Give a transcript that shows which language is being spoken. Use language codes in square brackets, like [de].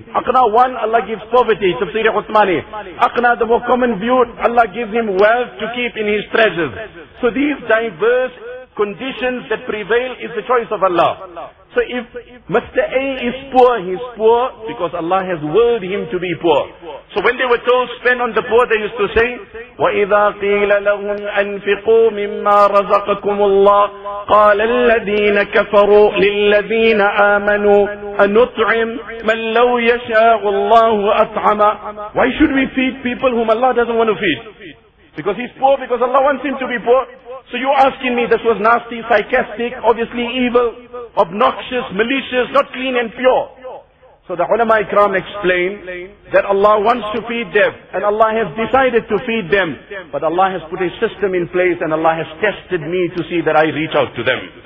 [en] Aqna, one, Allah gives poverty. Tafsir Uthmani. Aqna, the more common view, Allah gives him wealth to keep in his treasures. So these diverse conditions that prevail is the choice of Allah. So if Mr. A is poor, he's poor because Allah has willed him to be poor. So when they were told spend on the poor, they used to say, [ar] وَإِذَا قِيلَ لَهُمْ أَنْفِقُوا مِمَّا رَزَقَكُمُ اللَّهِ قَالَ الَّذِينَ كَفَرُوا لِلَّذِينَ آمَنُوا أَنُطْعِمْ مَنْ لَوْ يَشَاءُ اللَّهُ أَطْعَمَ. [en] Why should we feed people whom Allah doesn't want to feed? Because he's poor, because Allah wants him to be poor. So you're asking me, this was nasty, sarcastic, obviously evil, obnoxious, malicious, not clean and pure. So the ulama ikram explain that Allah wants to feed them, and Allah has decided to feed them, but Allah has put a system in place, and Allah has tested me to see that I reach out to them.